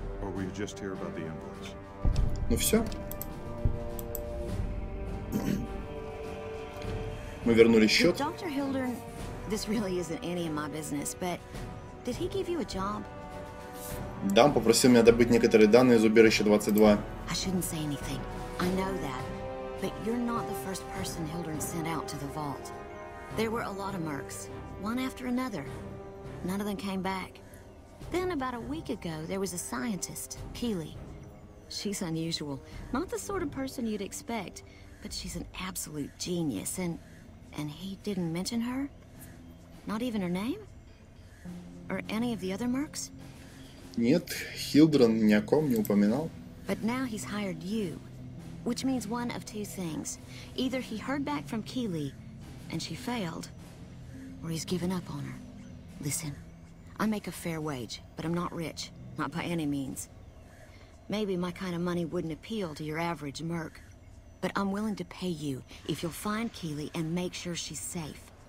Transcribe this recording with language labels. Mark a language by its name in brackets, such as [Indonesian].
[English] Or were you just here about the invoice? [Russian] Ну все. Мы вернули счет. [English] Dr. Hildern, this really isn't any of my business, but... Did he give you a job? [Russian] Да, он попросил меня добыть некоторые данные из убежища 22. [English] I shouldn't say anything. I know that. But you're not the first person Hildern sent out to the vault. There were a lot of mercs, one after another. None of them came back. Then about a week ago, there was a scientist, Keeley. She's unusual. Not the sort of person you'd expect, but she's an absolute genius. And he didn't mention her? Not even her name? Or any of the other mercs? [Russian] Нет, Хилдрон ни о ком не упоминал. [English] But now he's hired you, which means one of two things. Either he heard back from Keely, and she failed, or he's given up on her. Listen, I make a fair wage, but I'm not rich, not by any means. Maybe my kind of money wouldn't appeal to your average merc, but I'm willing to pay you if you'll find Keely and make sure she's safe.